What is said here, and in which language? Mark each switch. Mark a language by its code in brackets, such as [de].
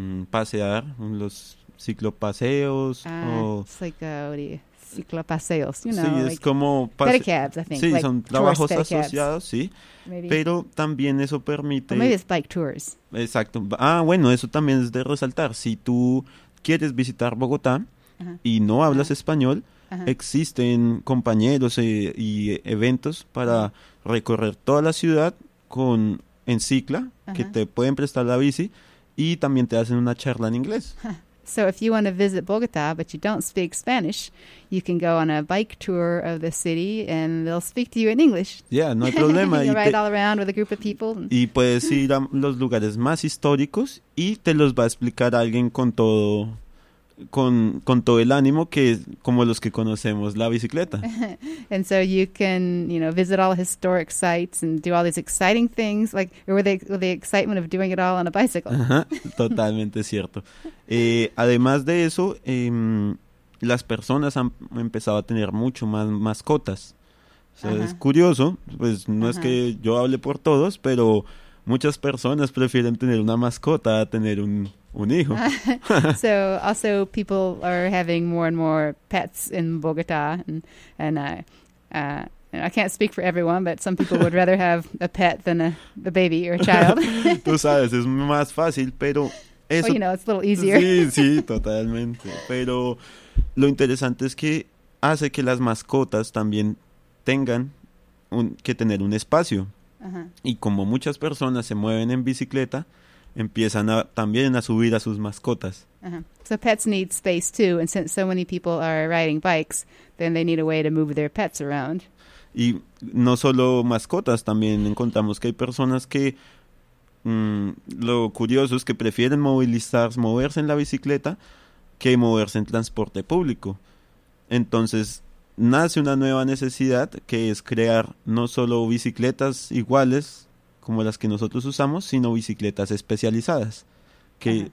[es] Pasear, los ciclopaseos. [en] It's like, what do you, ciclopaseos, you know. [es] Sí, [en] like [es] es como [en] pedicabs, I think. [es] Sí, [en] like [es] son trabajos asociados, sí. [en] Maybe. [es] Pero también eso permite. [en] Or maybe it's bike tours. [es] Exacto. Ah, bueno, eso también es de resaltar. Si tú quieres visitar Bogotá uh-huh. y no hablas uh-huh. español, uh-huh. existen compañeros y eventos para recorrer toda la ciudad con en cicla, uh-huh. que te pueden prestar la bici y también te hacen una charla en inglés. [en] So if you want to visit Bogotá but you don't speak Spanish, you can go on a bike tour of the city and they'll speak to you in English. [es] Yeah, no hay problema. [en] You ride all around with a group of people. [es] Y puedes ir a los lugares más históricos y te los va a explicar alguien con todo. Con todo el ánimo que como los que conocemos la bicicleta. [en] And so you can, you know, visit all historic sites and do all these exciting things, like with the excitement of doing it all on a bicycle. [es] Totalmente cierto. Además de eso, las personas han empezado a tener mucho más mascotas. O sea, uh-huh. es curioso, pues no uh-huh. es que yo hable por todos, pero muchas personas prefieren tener una mascota a tener un hijo. [en] So also people are having more and more pets in Bogotá, and I can't speak for everyone, but some people would rather have a pet than a baby or a child. [es] Tú sabes, es más fácil, pero eso. [en] Well, you know, it's a little easier. [es] Sí, sí, totalmente. Pero lo interesante es que hace que las mascotas también tengan que tener un espacio. Uh-huh. Y como muchas personas se mueven en bicicleta, empiezan también a subir a sus mascotas. Uh-huh. [en] So pets need space too, and since so many people are riding bikes, then they need a way to move their pets around. [es] Y no solo mascotas, también encontramos que hay personas que, lo curioso es que prefieren moverse en la bicicleta que moverse en transporte público. Entonces nace una nueva necesidad que es crear no solo bicicletas iguales como las que nosotros usamos, sino bicicletas especializadas, que uh-huh.